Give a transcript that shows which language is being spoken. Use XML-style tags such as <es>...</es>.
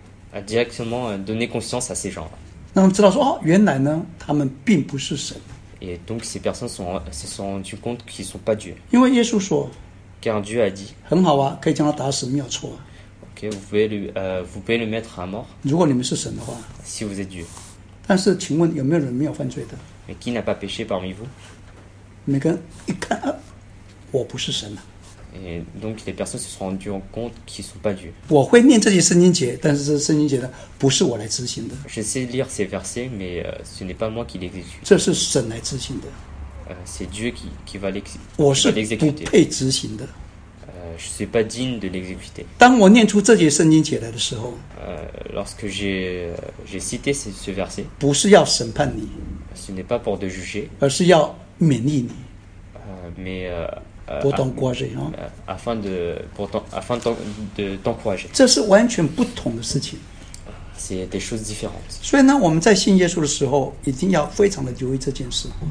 <fr>A directement donné conscience à ces gens.</fr> <zh>让他们知道说哦，原来呢，他们并不是神。</zh> <fr>Et donc ces personnes se sont rendu compte qu'ils sont pas Dieu.</fr> <zh>因为耶稣说。</zh> <fr>Car Dieu a dit,</fr> <zh>很好啊，可以将他打死，没有错。</zh> <fr>OK, vous pouvez le mettre à mort.</fr> <zh>如果你们是神的话，</zh> <fr>si vous êtes Dieu.</fr> <zh>但是，请问有没有人没有犯罪的？</zh> <fr>Mais qui n'a pas péché parmi vous?</fr> <zh>每个人一看，我不是神啊。</zh> <fr>Et donc les personnes se sont rendues compte qu'ils sont pas Dieu.</fr> <zh>我会念这些圣经节，但是这圣经节呢，不是我来执行的。</zh> <fr>Je sais lire ces versets, mais ce n'est pas moi qui les exécute.</fr> <zh>这是神来执行的。</zh> <fr>C'est Dieu qui va l'exécuter.</fr> <zh>我是不配执行的。</zh> <fr>Je suis pas digne de l'exécuter.</fr> <zh>当我念出这些圣经节来的时候，</zh> <fr>lorsque j'ai cité ce verset,</fr> <zh>不是要审判你，</zh> <fr>ce n'est pas pour te juger,</fr> <zh>而是要勉励你，</zh> <fr>mais t'encourager, afin de t'encourager.</fr> <zh>这是完全不同的事情。</zh> <fr>C'est des choses différentes.</fr> <zh>所以呢，我们在信耶稣的时候，一定要非常的留意这件事。</zh>